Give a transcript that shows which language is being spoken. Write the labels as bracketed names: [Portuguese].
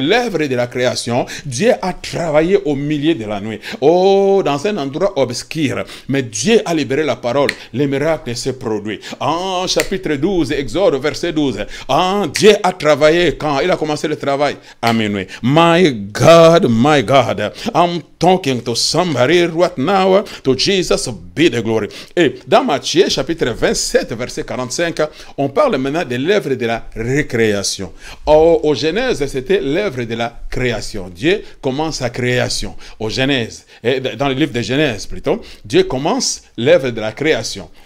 [French] L'œuvre de la création, Dieu a travaillé au milieu de la nuit. Oh, dans un endroit obscur. Mais Dieu a libéré la parole. Les miracles se produisent. En chapitre 12, Exode, verset 12. En Dieu a travaillé quand il a commencé le travail à minuit. [English] My God, I'm talking to somebody right now. To Jesus be the glory. [French] Et dans Matthieu, chapitre 27, verset 45, on parle maintenant de l'œuvre de la récréation. Au Genèse, c'était l'œuvre de la création. Dieu commence sa création. Au Genèse, et dans le livre de Genèse plutôt, Dieu commence l'œuvre de la création.